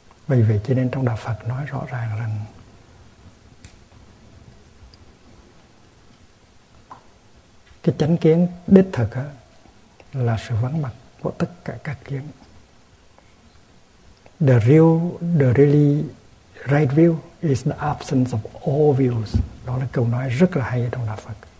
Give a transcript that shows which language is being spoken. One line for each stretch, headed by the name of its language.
Vietnamese: Vì vậy cho nên trong Đạo Phật nói rõ ràng rằng cái chánh kiến đích thực á, là sự vắng mặt của tất cả các kiến.
English: The really right view is the absence of all views.
Vietnamese: Đó là câu nói rất là hay trong Đạo Phật.